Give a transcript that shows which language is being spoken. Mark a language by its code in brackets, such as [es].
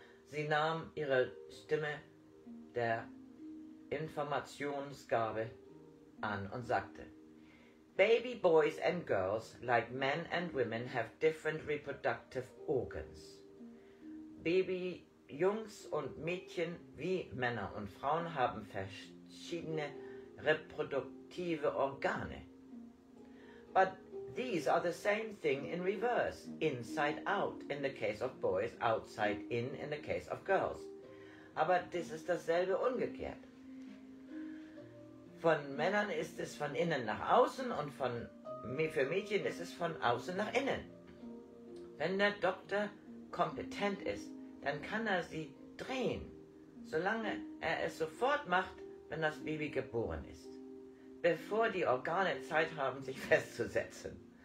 [de] Sie nahm ihre Stimme der Informationsgabe an und sagte, [en] Baby boys and girls, like men and women, have different reproductive organs. [de] Baby Jungs und Mädchen, wie Männer und Frauen, haben verschiedene reproduktive Organe. [en] But these are the same thing in reverse, inside out in the case of boys, outside in the case of girls. [de] Aber das ist dasselbe umgekehrt. Von Männern ist es von innen nach außen und für Mädchen ist es von außen nach innen. Wenn der Doktor kompetent ist, dann kann er sie drehen, solange er es sofort macht, wenn das Baby geboren ist, bevor die Organe Zeit haben, sich festzusetzen.